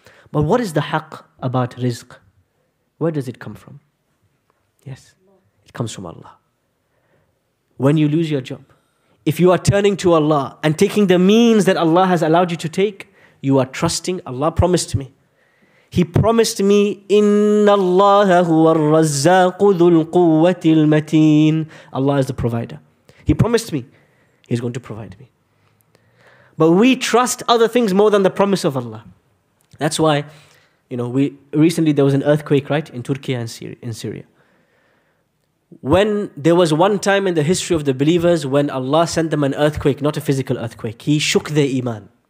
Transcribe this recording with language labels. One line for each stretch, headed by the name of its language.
English: But what is the haqq about rizq? Where does it come from? Yes, it comes from Allah. When you lose your job, if you are turning to Allah and taking the means that Allah has allowed you to take, you are trusting Allah promised me. He promised me,
Arabic: إِنَّ اللَّهَ هُوَ الرَّزَّاقُ ذُو الْقُوَّةِ الْمَتِينَ.
English: Allah is the provider. He promised me, He's going to provide me. But we trust other things more than the promise of Allah. That's why, you know, we recently there was an earthquake, right, in Turkey and Syria. When there was one time in the history of the believers when Allah sent them an earthquake, not a physical earthquake, He shook their iman.